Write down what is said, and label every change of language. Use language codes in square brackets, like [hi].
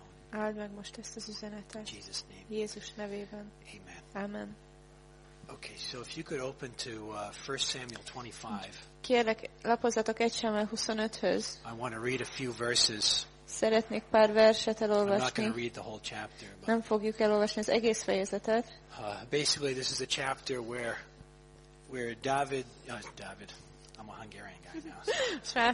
[hu] Áld meg most ezt az üzenetet. Jézus nevében. Amen. [en] Okay, so if you could open to 1 Samuel 25. [hu] Kérlek, lapozzatok 1 Samuel 25-höz. [en] I want to read a few verses. [hu] Szeretnék pár verset elolvasni. [en] I'm not going to read the whole chapter, but [hu] nem fogjuk elolvasni az egész fejezetet. [en] Basically, this is a chapter where David, David, I'm a Hungarian guy now.